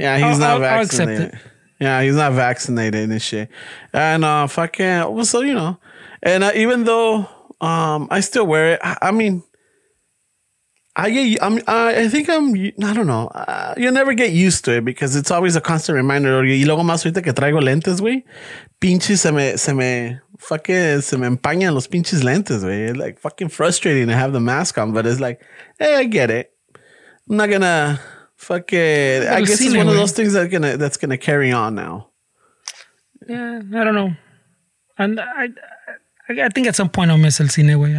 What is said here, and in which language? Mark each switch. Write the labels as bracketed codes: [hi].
[en] Yeah, I'll accept it. Yeah, he's not vaccinated and shit. And even though I still wear it, I don't know. You'll never get used to it because it's always a constant reminder. [es] Y luego más ahorita que traigo lentes, güey. Pinches se me empañan los pinches lentes, güey. [en] It's like fucking frustrating to have the mask on, but it's like, hey, I get it. I'm not gonna fuck it. I guess it's one of those things that's gonna carry on now. Yeah, I don't know. And I think at some point I'll miss [es] el cine, güey.